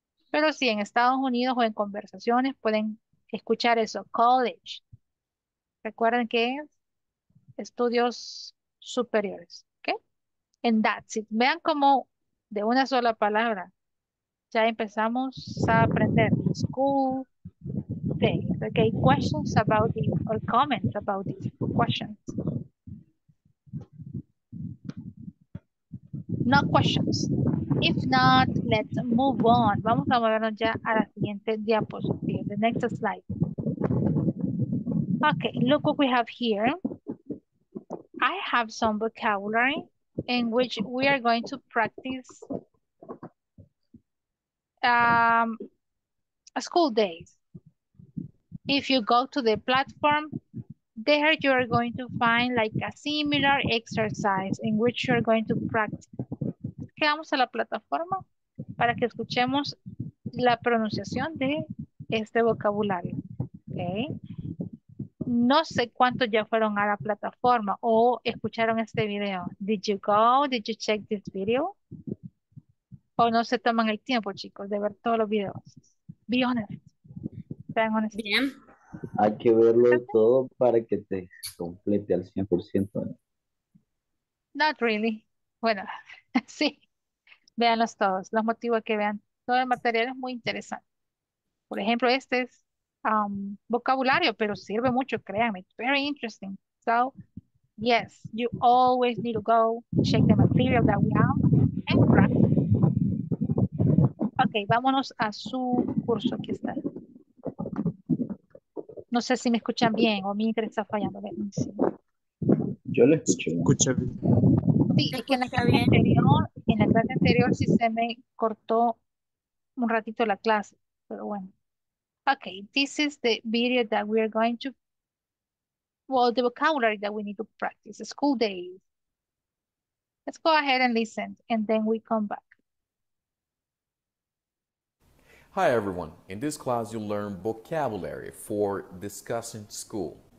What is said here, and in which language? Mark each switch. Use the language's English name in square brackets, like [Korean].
[Spanish] Pero sí, en Estados Unidos o en conversaciones pueden escuchar eso, college. Recuerden que es estudios superiores. [English] And that's it. [Spanish] Vean cómo de una sola palabra ya empezamos a aprender school days. [English] Okay, questions about this or comments about this questions. No questions. If not, let's move on. [Spanish] Vamos a movernos ya a la siguiente diapositiva. [English] The next slide. Okay, look what we have here. I have some vocabulary in which we are going to practice school days. If you go to the platform, there you are going to find like a similar exercise in which you're going to practice. [Spanish] Quedamos a la plataforma para que escuchemos la pronunciación de este vocabulario. Okay. No sé cuántos ya fueron a la plataforma o escucharon este video. [English] Did you go? Did you check this video? [Spanish] O no se toman el tiempo, chicos, de ver todos los videos. [English] Be honest. [Spanish] Sean honestos. Bien. Hay que verlo todo para que te complete al 100%. [English] Not really. [Spanish] Bueno, sí. Véanlos todos. Los motivos que vean. Todo el material es muy interesante. Por ejemplo, este es vocabulario, pero sirve mucho, créanme. [English] Very interesting. So, yes, you always need to go check the material that we have and practice. [Spanish] Ok, vámonos a su curso. Aquí está. No sé si me escuchan bien o mi internet está fallando. Yo lo escucho bien. Sí, es que en la clase anterior sí se me cortó un ratito la clase, pero bueno. [English] Ok, this is the video that we are going to, well, the vocabulary that we need to practice, the school days. Let's go ahead and listen, and then we come back. Hi everyone, in this class you'll learn vocabulary for discussing school.